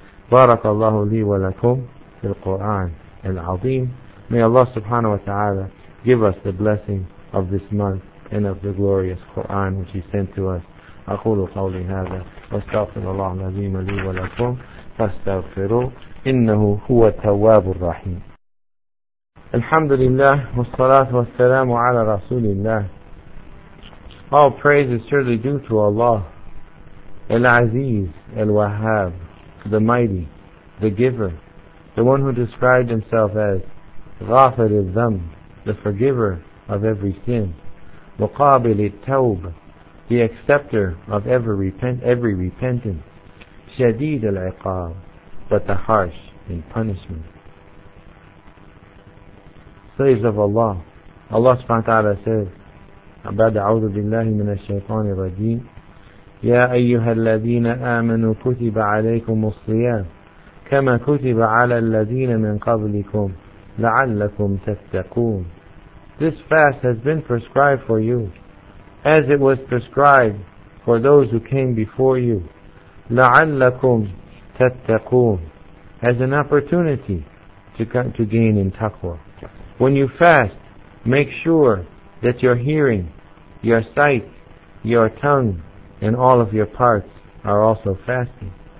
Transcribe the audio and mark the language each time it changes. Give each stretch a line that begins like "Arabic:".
Arabic: بارك الله لي ولكم في القرآن العظيم.
English: May Allah subhanahu wa ta'ala give us the blessing of this month and of the glorious Quran which He sent to us.
Arabic: أقول قولي هذا واستغفر الله العظيم لي ولكم فاستغفروه إنه هو التواب الرحيم. الحمد لله والصلاة والسلام على رسول الله.
English: All praise is surely due to Allah, Al-Aziz, Al-Wahhab, the Mighty, the Giver, the one who described himself as Ghafir al-Dhamb, the forgiver of every sin, Muqabil al-Tawb, the acceptor of every repentance, Shadeed al-Iqab, but the harsh in punishment. Slaves of Allah, Allah subhanahu wa ta'ala says,
Arabic: بعد أعوذ بالله من الشيطان الرجيم يا أيها الذين آمنوا كتب عليكم الصيام كما كتب على الذين من قبلكم لعلكم تتقون.
English: This fast has been prescribed for you as it was prescribed for those who came before you.
Arabic: لعلكم تتقون,
English: as an opportunity to gain in taqwa. When you fast, make sure that your hearing, your sight, your tongue, and all of your parts are also fasting.